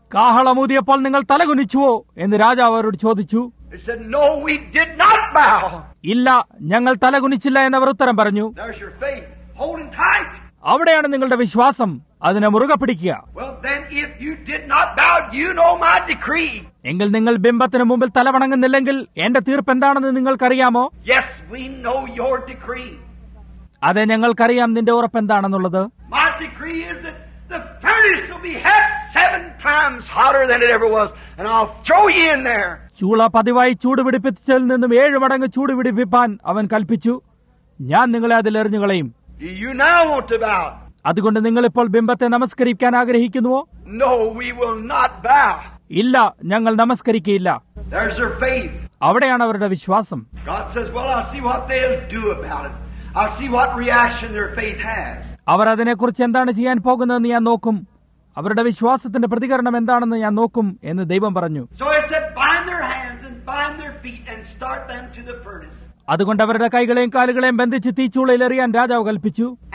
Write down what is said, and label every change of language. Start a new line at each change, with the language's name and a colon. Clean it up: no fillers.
Malayalam: കാഹളമൂതിയപ്പോൾ നിങ്ങൾ തലകുനിച്ചുവോ എന്ന് രാജാവ് അവരോട് ചോദിച്ചു.
English: He said, no, we did not bow.
Malayalam: ഇല്ല, ഞങ്ങൾ തലകുനിച്ചില്ല എന്നവർ ഉത്തരം പറഞ്ഞു.
English: There's your faith. Hold it tight.
Malayalam: അവിടെയാണ് നിങ്ങളുടെ വിശ്വാസം, അതിനെ മുറുകെ പിടിക്കുക.
English: Well, then if you did not bow, you know my decree.
Malayalam: എങ്കിൽ നിങ്ങൾ ബിംബത്തിന് മുമ്പിൽ തലവണങ്ങുന്നില്ലെങ്കിൽ എന്റെ തീർപ്പ് എന്താണെന്ന് നിങ്ങൾക്കറിയാമോ?
English: Yes, we know your decree.
Malayalam: അതെ, ഞങ്ങൾക്കറിയാം നിന്റെ ഉറപ്പ് എന്താണെന്നുള്ളത്.
English: My decree is that the furnace will be hot 7 times hotter than it ever was, and I'll throw you in there.
Malayalam: ചൂള പതിവായി ചൂടുപിടിപ്പിച്ചതിൽ നിന്നും 7 മടങ്ങ് ചൂടുപിടിപ്പിപ്പാൻ അവൻ കൽപ്പിച്ചു. ഞാൻ നിങ്ങളെ അതിൽ എറിഞ്ഞുകളയും.
English: Do you now want to bow?
Malayalam: അതുകൊണ്ട് നിങ്ങൾ ഇപ്പോൾ ബിംബത്തെ നമസ്കരിക്കാൻ ആഗ്രഹിക്കുന്നുവോ?
English: No, we will not bow.
Malayalam: ഇല്ല, ഞങ്ങൾ നമസ്കരിക്കുകയില്ല.
English: There's your faith.
Malayalam: അവിടെയാണ് അവരുടെ വിശ്വാസം.
English: God says, well, I'll see what they'll do about it. I'll see what reaction their faith has.
Malayalam: അവർ അതിനെക്കുറിച്ച് എന്താണ് ചെയ്യാൻ പോകുന്നതെന്ന് ഞാൻ നോക്കും. അവരുടെ വിശ്വാസത്തിന്റെ പ്രതികരണം എന്താണെന്ന് ഞാൻ നോക്കും എന്ന് ദൈവം പറഞ്ഞു.
English: So he said, bind their hands and bind their feet and start them to the furnace.
Malayalam: അതുകൊണ്ട് അവരുടെ കൈകളെയും കാലുകളെയും ബന്ധിച്ച് തീച്ചൂളയിൽ എറിയാൻ രാജാവ് കൽപ്പിച്ചു.